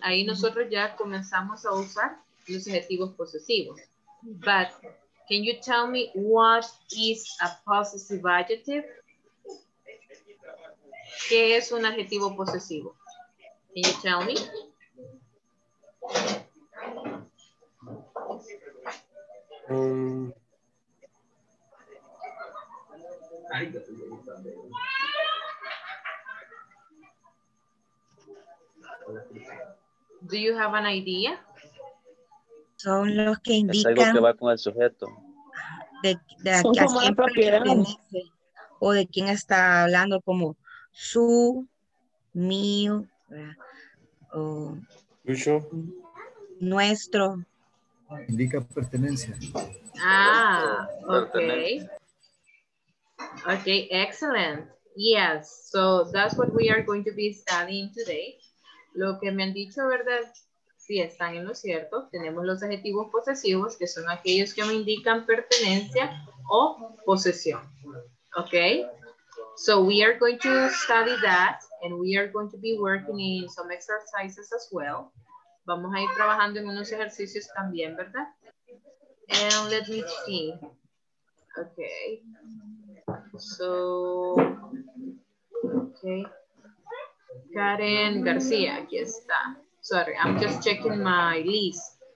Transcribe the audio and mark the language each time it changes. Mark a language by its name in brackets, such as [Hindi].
[Spanish] Ahí nosotros ya comenzamos a usar los adjetivos posesivos. [English] But can you tell me what is a possessive adjective? [Spanish] ¿Qué es un adjetivo posesivo? [English] Can you tell me? Do you have an idea? [Spanish] Son los que indican. Es algo que va con el sujeto. De a quién pertenece. O de quién está hablando, como su, mío, o ¿Lucho? Nuestro. Indica pertenencia. [English] Ah, okay. Okay, excellent. Yes, so that's what we are going to be studying today. [Spanish] Lo que me han dicho, ¿verdad? Sí, están en lo cierto. Tenemos los adjetivos posesivos, que son aquellos que me indican pertenencia o posesión. [English] Okay, so we are going to study that and we are going to be working in some exercises as well. [Spanish] Vamos a ir trabajando en unos ejercicios también, ¿verdad? [English] And let me see. Okay. So, okay. Karen García, [Spanish] aquí está. [English] Sorry, I'm just checking my list.